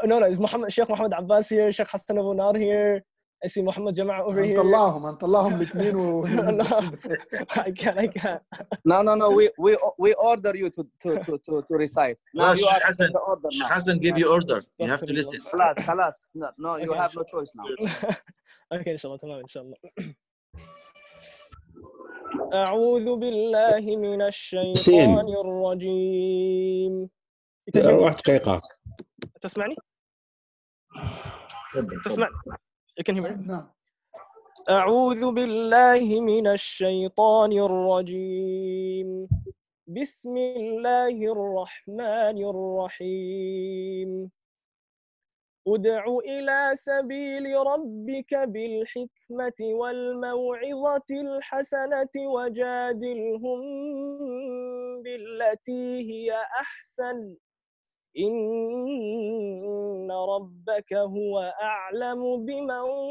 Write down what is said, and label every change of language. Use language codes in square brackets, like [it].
[en] It's Muhammad شيخ محمد عباس here شيخ حسن أبو نار here. I see Muhammad Jama over here. [ar] أنطلعهم الاثنين و. [en] I can't. No, we order you to recite. No, Sheikh Hassan. Sheikh Hassan give you order. You have to listen. [ar] خلاص. [en] No, you have no choice now. Okay, inshallah, tamam, inshallah. [ar] أعوذ بالله من الشيطان الرجيم. واحد دقيقة. تسمعني؟ تسمع. [en] You can hear me? No. [ar] أعوذ بالله من الشيطان الرجيم بسم الله الرحمن الرحيم أدع إلى سبيل ربك بالحكمة والموعظة الحسنة وجادلهم بالتي هي أحسن إن ربك هو أعلم بمن